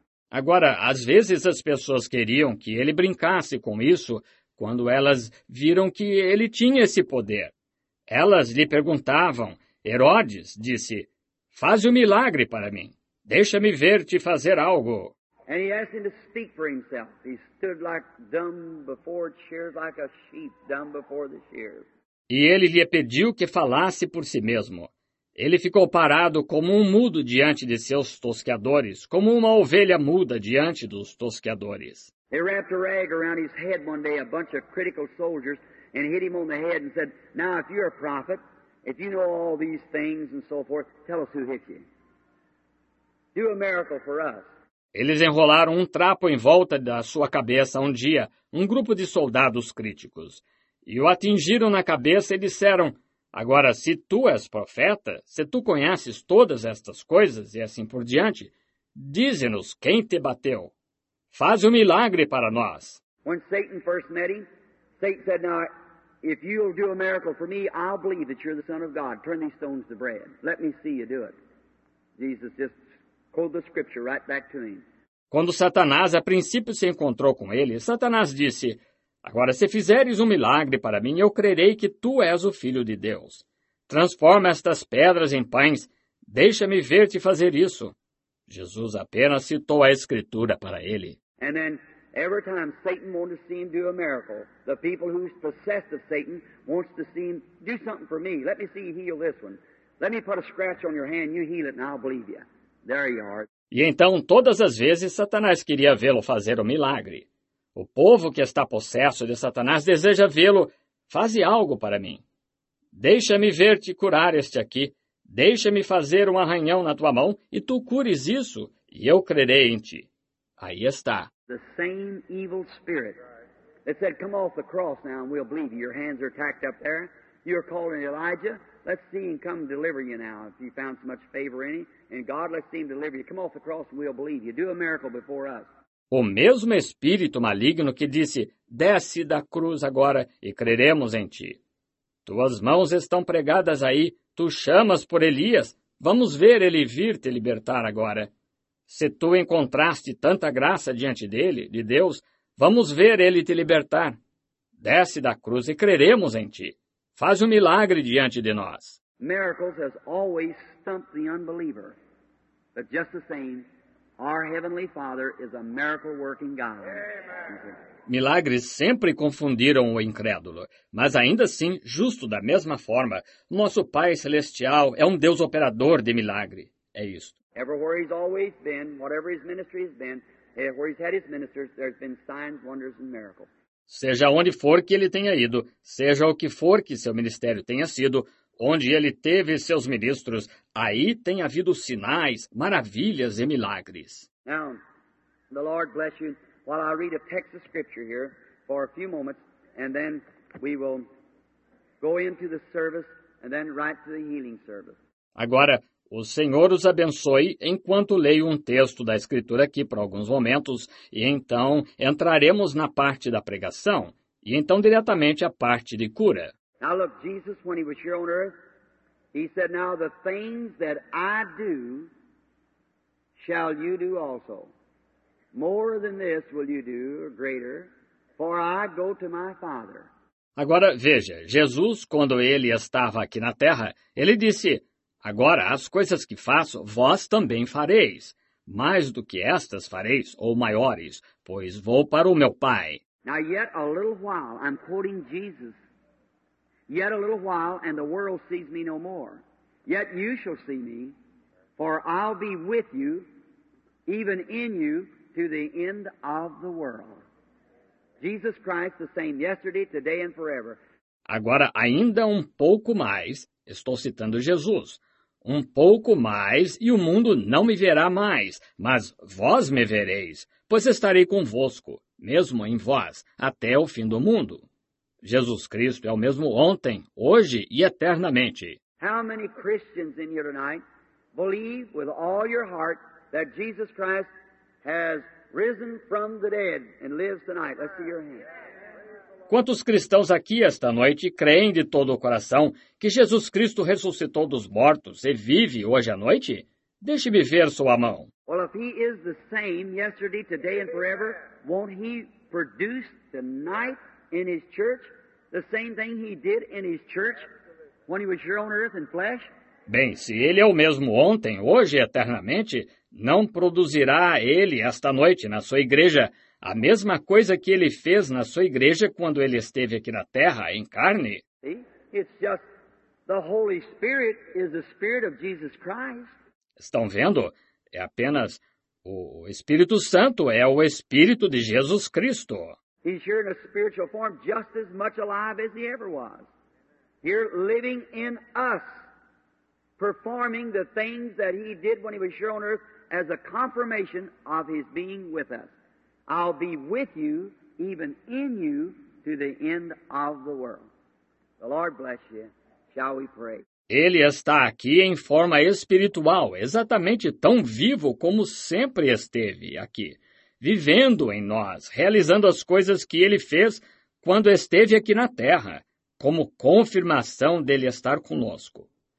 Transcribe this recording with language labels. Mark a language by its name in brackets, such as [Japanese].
[Portuguese] Agora, às vezes as pessoas queriam que ele brincasse com isso quando elas viram que ele tinha esse poder. Elas lhe perguntavam, Herodes disse, faz um milagre para mim. Deixa-me ver te fazer algo. [English] And he asked him to speak for himself. He stood like dumb before shears, like a sheep dumb before the shears. [Portuguese] E ele lhe pediu que falasse por si mesmo. Ele ficou parado como um mudo diante de seus tosqueadores, como uma ovelha muda diante dos tosqueadores. [English] They wrapped a rag around his head one day, a bunch of critical soldiers, and hit him on the head and said, now if you're a prophet, if you know all these things and so forth, tell us who hit you. Do a miracle for us. [Portuguese] Eles enrolaram um trapo em volta da sua cabeça um dia, um grupo de soldados críticos, e o atingiram na cabeça e disseram, agora, se tu és profeta, se tu conheces todas estas coisas e assim por diante, dize-nos quem te bateu. Faz um milagre para nós. [English] When Satan first met him, Satan said, now, if you'll do a miracle for me, I'll believe that you're the Son of God. Turn these stones to bread. Let me see you do it. Jesus just quoted the scripture right back to him. [Portuguese] Quando Satanás a princípio se encontrou com ele, Satanás disse, agora, se fizeres um milagre para mim, eu crerei que tu és o Filho de Deus. Transforma estas pedras em pães. Deixa-me ver te fazer isso. Jesus apenas citou a Escritura para ele. [English] And then, every time Satan wants to see him do a miracle, the people who's possessed of Satan wants to see him do something for me. Let me see you heal this one. Let me put a scratch on your hand, you heal it, and I'll believe you. There you are. [Portuguese] E então, todas as vezes, Satanás queria vê-lo fazer o milagre. O povo que está possesso de Satanás deseja vê-lo. Faze algo para mim. Deixa-me ver-te curar este aqui. Deixa-me fazer um arranhão na tua mão e tu cures isso e eu crerei em ti. Aí está. [English] The same evil spirit that said, come off the cross now and we'll believe you. Your hands are tacked up there. You're calling Elijah. Let's see him come deliver you now if you found so much favor in him. And God, let's see him deliver you. Come off the cross and we'll believe you. Do a miracle before us. [Portuguese] O mesmo espírito maligno que disse, desce da cruz agora e creremos em ti. Tuas mãos estão pregadas aí, tu chamas por Elias, vamos ver ele vir te libertar agora. Se tu encontraste tanta graça diante dele, de Deus, vamos ver ele te libertar. Desce da cruz e creremos em ti. Faz um milagre diante de nós. [English] Miracles has always stumped the unbeliever, but just the same. Our Heavenly Father is a miracle-working God. [Portuguese] Milagres sempre confundiram o incrédulo, mas ainda assim, justo da mesma forma, nosso Pai Celestial é um Deus operador de milagre. É isso. [English] Everywhere he's always been, whatever his ministry has been, where he's had his ministers, there's been signs, wonders, and miracles. [Portuguese] Seja onde for que ele tenha ido, seja o que for que seu ministério tenha sido, onde ele teve seus ministros, aí tem havido sinais, maravilhas e milagres. [English] Now, the Lord bless you. While I read a text of scripture here for a few moments, and then we will go into the service and then right to the healing service. [Portuguese] Agora, o Senhor os abençoe enquanto leio um texto da Escritura aqui por alguns momentos, e então entraremos na parte da pregação, e então diretamente a parte de cura. [English] Now look, Jesus, when he was here on earth, he said, now the things that I do, shall you do also. More than this will you do, or greater, for I go to my Father. [Portuguese] Agora veja, Jesus, quando ele estava aqui na terra, ele disse, agora as coisas que faço, vós também fareis. Mais do que estas fareis, ou maiores, pois vou para o meu Pai. [English] Now yet a little while, I'm quoting Jesus. Yet a little while, and the world sees me no more. Yet you shall see me, for I'll be with you, even in you, to the end of the world. Jesus Christ, the same yesterday, today, and forever. [Portuguese] Agora, ainda um pouco mais, estou citando Jesus, um pouco mais, e o mundo não me verá mais, mas vós me vereis, pois estarei convosco, mesmo em vós, até o fim do mundo. Jesus Cristo é o mesmo ontem, hoje e eternamente. [English] How many Christians in here tonight believe with all your heart that Jesus Christ has risen from the dead and lives tonight? Let's see your hand. [Portuguese] quantos cristãos aqui esta noite creem de todo o coração que Jesus Cristo ressuscitou dos mortos e vive hoje à noite? Deixe-me ver sua mão. [English] Well, if he is the same yesterday, today and forever, won't he produce tonight in his church the same thing he did in his church when he was here on earth in flesh? [Portuguese] Bem, se ele é o mesmo ontem, hoje e eternamente, não produzirá ele esta noite na sua igreja a mesma coisa que ele fez na sua igreja quando ele esteve aqui na terra em carne? [English] It's just the Holy Spirit is the Spirit of Jesus Christ. [Portuguese] Estão vendo? É apenas o Espírito Santo é o Espírito de Jesus Cristo. [English] He's here in a spiritual form just as much alive as he ever was. Here living in us. Performing the things that he did when he was here on earth as a confirmation of his being with us. I'll be with you, even in you, to the end of the world. The Lord bless you. Shall we pray? [Portuguese] Ele está aqui em forma espiritual, exatamente tão vivo como sempre esteve aqui, vivendo em nós, realizando as coisas que ele fez quando esteve aqui na terra, como confirmação dele estar conosco.